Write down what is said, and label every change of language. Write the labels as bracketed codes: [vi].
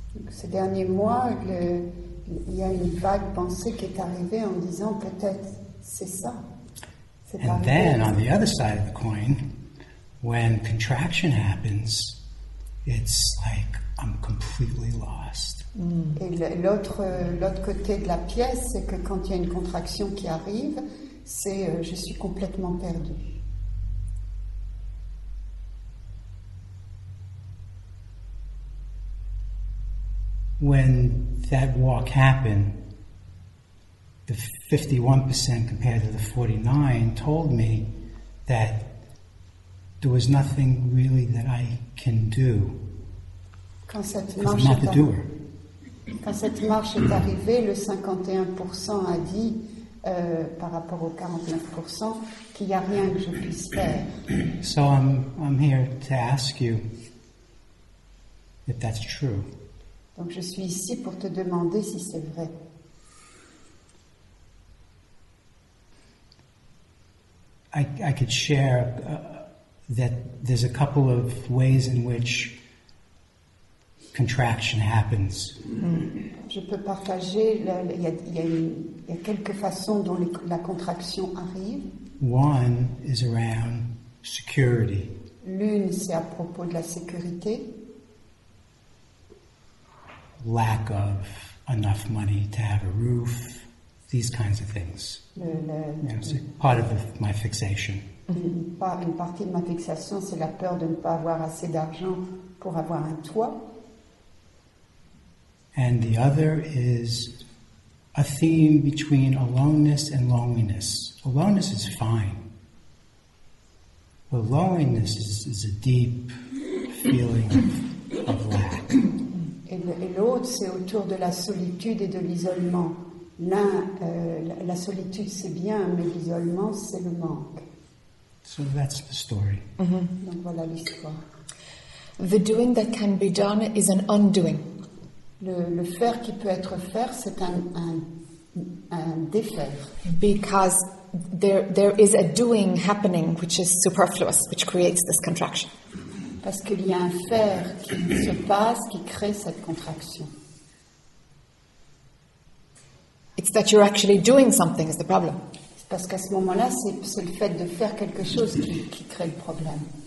[fr] Ces derniers mois, il y a une vague pensée qui est arrivée en disant peut-être c'est ça. [en] And then, on the other side of the coin, when contraction happens, it's like I'm completely lost. [fr] Et l'autre côté de la pièce, c'est que quand il y a une contraction qui arrive, c'est je suis complètement perdu. [en] When that walk happened, the 51% compared to the 49% told me that there was nothing really that I can do. [fr] Quand cette marche est arrivée, le 51% a dit, par rapport au 49%, qu'il n'y a rien que je puisse faire. [en] So I'm here to ask you if that's true. [fr] Donc je suis ici pour te demander si c'est vrai. [en] I I could share that there's a couple of ways in which contraction happens. [fr] Je peux partager. Il y a quelques façons dont la contraction arrive. [en] One is around security. [fr] L'une, c'est à propos de la sécurité. [en] Lack of enough money to have a roof. These kinds of things. Part of my fixation. [fr] Une partie de ma fixation, c'est la peur de ne pas avoir assez d'argent pour avoir un toit. [en] And the other is a theme between aloneness and loneliness. Aloneness is fine. But loneliness is a deep feeling of lack. [fr] Et l'autre, c'est autour de la solitude et de l'isolement. La solitude, c'est bien, mais l'isolement, c'est le manque. [en] So that's the story. [fr] Mm-hmm. Donc voilà l'histoire. [en] The doing that can be done is an undoing. [fr] Le faire qui peut être faire, c'est un défaire. [en] Because there is a doing happening which is superfluous, which creates this contraction. [fr] Parce qu'il y a un faire qui se passe, qui crée cette contraction. [en] It's that you're actually doing something is the problem. [fr] C'est parce qu'à ce moment-là, c'est le fait de faire quelque chose qui crée le problème.